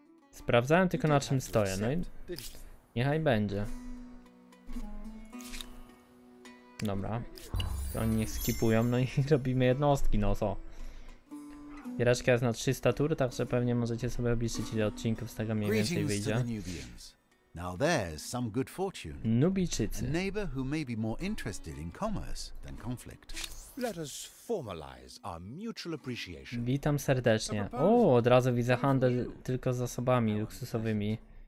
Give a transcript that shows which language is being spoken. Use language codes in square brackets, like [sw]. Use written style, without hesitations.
[pl] Sprawdzałem tylko, na czym stoję, no i... Niechaj będzie. Dobra. Oni niech skipują, no i robimy jednostki, no co? Giereczka jest na 300 tur, także pewnie możecie sobie obliczyć, ile odcinków z tego mniej więcej wyjdzie. [en] Now there's some good fortune. Nubijczycy. A neighbor who may be more interested in commerce than conflict. Let us formalize our mutual appreciation. [pl] Witam serdecznie. O, od razu widzę handel tylko z zasobami luksusowymi.